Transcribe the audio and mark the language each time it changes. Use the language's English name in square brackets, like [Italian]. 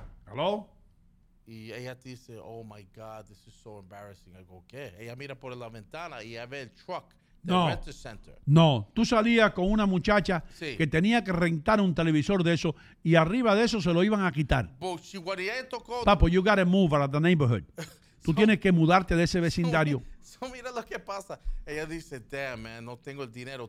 [English] Hello. [Spanish] Y ella te dice, [English] oh my God, this is so embarrassing. I go, [Spanish] ¿qué? Ella mira por la ventana y ella ve el truck del no, Rent-A-Center. No, tú salías con una muchacha sí. que tenía que rentar un televisor de eso y arriba de eso se lo iban a quitar. [English] Papo, you gotta move out of the neighborhood. [Spanish] Tú tienes que mudarte de ese vecindario. Mira lo que pasa. Ella dice, damn, man, no tengo el dinero.